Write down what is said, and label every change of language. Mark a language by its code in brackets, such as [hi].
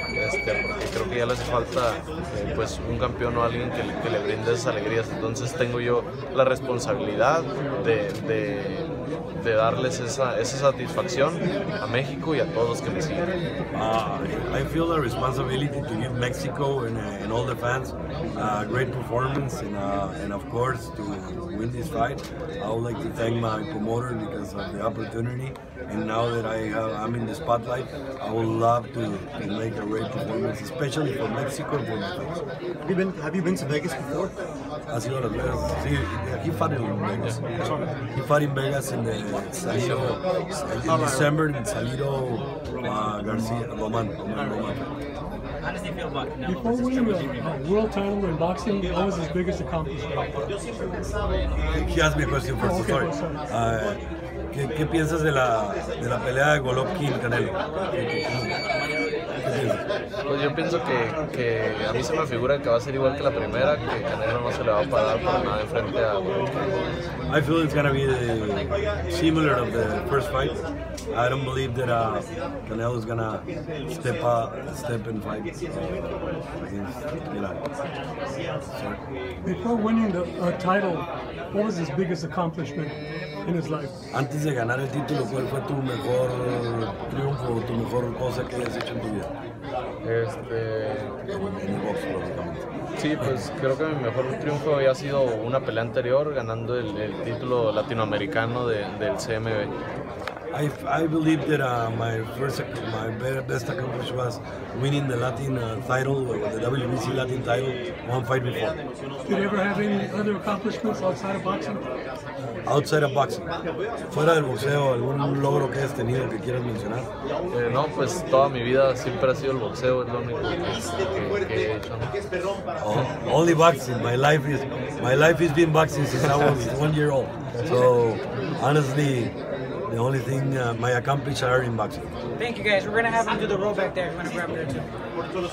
[es] Porque creo que ya les falta pues un campeón o alguien que le brinde esas alegrías. Entonces tengo yo la responsabilidad de darles esa satisfacción a México y a todos los que me siguen. [en] I feel a responsibility to give Mexico and all the fans a great performance and of course to win this fight. I would like to thank my promoter because of the opportunity, and now that I'm in the spotlight, I would love to make a great performance, especially for Mexico and for my fans. Have you been to Vegas before? [es] Ha sido Las Vegas. Sí, [en] he fought in Vegas. He fought in Vegas in the Salido, in December, in Salido García Roman. How does he feel about Canelo? Before winning a world title in boxing, what was his biggest accomplishment? He asked me a question first, sorry. [es] ¿Qué piensas de la pelea de Golovkin Canelo? Pues yo pienso que a mí se me figura que va a ser igual que la primera, que Canelo no se le va a parar para nada enfrente a Golovkin. [en] I feel it's gonna be similar of the first fight. I don't believe that Canelo is gonna step and fight against Eli. Before winning the title, what was his biggest accomplishment in his life? [es] Antes de ganar el título, ¿cuál fue tu mejor triunfo, tu mejor cosa que hayas hecho en tu vida? En el box, lógicamente. Sí, pues creo que mi mejor triunfo había sido una pelea anterior, ganando el título latinoamericano del CMB. [en] I believe that my best accomplishment was winning the Latin title, the WBC Latin title, one fight before. Did you ever have any other accomplishments outside of boxing? Outside of boxing. [es] Fuera del boxeo, ¿algún logro que has tenido que quieras mencionar? No, pues toda mi vida siempre ha sido el boxeo, es lo único que he hecho. [en] Only boxing. My life has been boxing since I was 1 year old. So, honestly, the only thing my accomplishments are in boxing. Thank you, guys. We're going to have him do the roll back there. I'm going to grab there, too.